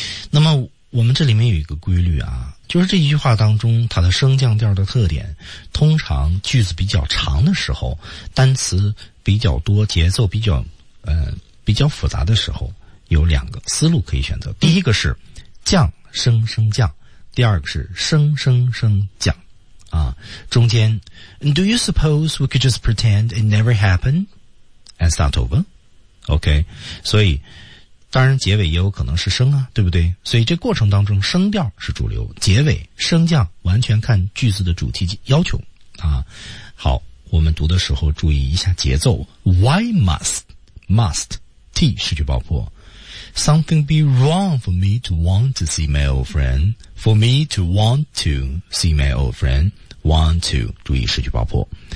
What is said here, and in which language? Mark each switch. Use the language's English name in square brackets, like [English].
[Chinese] 那么我们这里面有一个规律啊，就是这句话当中它的升降调的特点，通常句子比较长的时候，单词比较多，节奏比较复杂的时候，有两个思路可以选择。第一个是降升升降，第二个是升升升降。啊，中间 [English] Do you suppose we could just pretend it never happened and start over? [Chinese] OK, 所以当然结尾也有可能是升啊，对不对？所以这过程当中升调是主流，结尾升降完全看句子的主题要求啊。好，我们读的时候注意一下节奏。 [English] Why must T [Chinese] 失去爆破 [English] Something be wrong for me to want to see my old friendFor me to want to see my old friend, want to, [Chinese] 注意失去爆破。